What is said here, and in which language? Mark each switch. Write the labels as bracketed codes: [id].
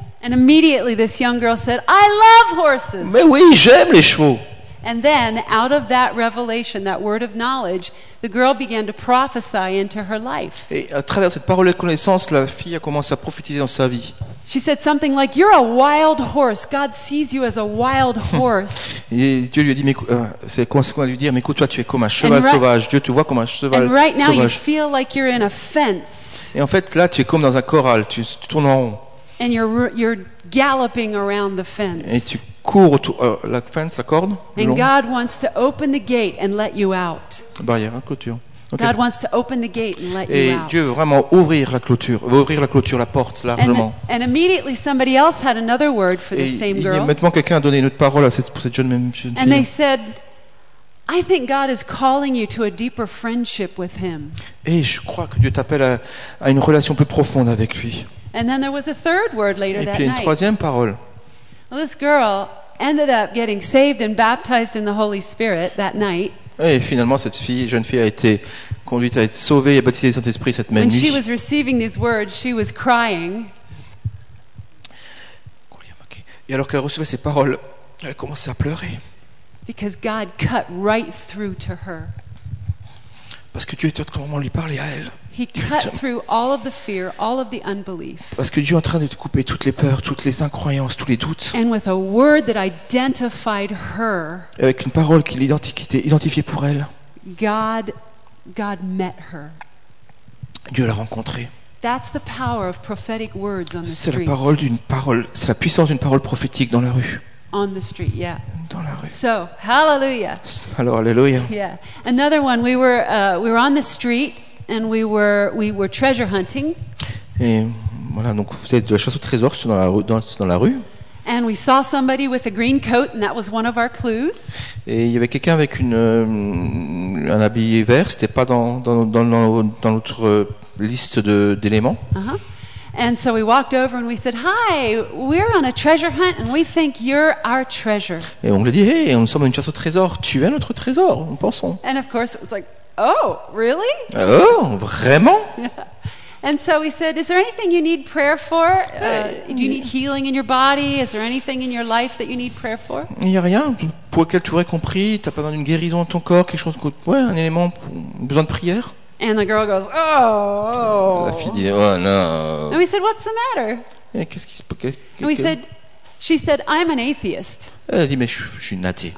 [en] And immediately this young girl said, "I love horses." [fr] Mais oui, j'aime les chevaux. [en] And then, out of that revelation, that word of knowledge, the girl began to prophesy into her life. [fr] Et à travers cette parole de connaissance, la fille a commencé à prophétiser dans sa vie. [en] She said something like, "You're a wild horse. God sees you as a wild horse." [fr] Et Dieu lui a dit, mais c'est quoi à lui dire? Mais écoute, toi, tu es comme un cheval sauvage. Dieu te voit comme un cheval sauvage. [en] And right now, you feel like you're in a fence. [fr] Et en fait, là, tu es comme dans un corral. Tu tournes en rond. [en] And you're galloping around the fence. [fr] Et tu cours autour la fence, la corde. [en] And God wants to open the gate and let you out. [fr] Barrière, hein, clôture. [en] Okay. God wants to open the gate and let [fr] et [en] you out. [fr] Et Dieu veut vraiment ouvrir la clôture, la porte largement. [en] And immediately somebody else had another word for the same girl. [fr] Et immédiatement quelqu'un a donné une autre parole à cette jeune même fille. [en] And they said, "I think God is calling you to a deeper friendship with Him." [fr] Et je crois que Dieu t'appelle à une relation plus profonde avec lui. [en] And then there was a third word later that night. [fr] Et puis une troisième parole. [en] Well, this girl ended up getting saved and baptized in the Holy Spirit that night. [fr] Et finalement, cette fille, jeune fille, a été conduite à être sauvée et baptisée du Saint-Esprit cette même [en] when [fr] nuit. [en] When she was receiving these words, she was crying. [fr] Et alors qu'elle recevait ces paroles, elle commençait à pleurer. [en] Because God cut right through to her. [fr] Parce que Dieu était en train de lui parler à elle. [en] He cut through all of the fear, all of the unbelief. [fr] Parce que Dieu est en train de couper toutes les peurs, toutes les incroyances, tous les doutes. [en] And with a word that identified her. [fr] Avec une parole qui l'identifiait, identifiée pour elle. [en] God met her. [fr] Dieu l'a rencontrée. [en] That's the power of prophetic words on the street. [fr] C'est la puissance d'une parole prophétique dans la rue. [en] On the street, yeah. [fr] Dans la rue. [en] So, hallelujah. [fr] Alors, hallelujah. [en] Yeah. Another one. We were on the street and we were treasure hunting. [fr] Et voilà, donc vous êtes de la chasse au trésor dans la rue. [en] And we saw somebody with a green coat, and that was one of our clues. [fr] Et il y avait quelqu'un avec un habit vert. C'était pas dans notre liste d'éléments. [en] And so we walked over and we said, "Hi, we're on a treasure hunt and we think you're our treasure." [fr] Et on lui dit, "Hey, on sommes une chasse au trésor, tu es notre trésor, nous pensons." [en] And of course it was like, "Oh, really?" [fr] Oh, vraiment? [en] Yeah. And so we said, "Is there anything you need prayer for? Do you need healing in your body? Is there anything in your life that you need prayer for?" [fr] Il y a rien pour lequel tu aurais compris, tu as pas besoin d'une guérison dans ton corps, quelque chose un élément besoin de prière. [en] And the girl goes, "Oh." [fr] La fille dit, "Oh, no." [en] And we said, "What's the matter?" [fr] Et qu'est-ce qui se passe? [en] And we said, She said, "I'm an atheist." [fr] Elle a dit, mais je suis une athée.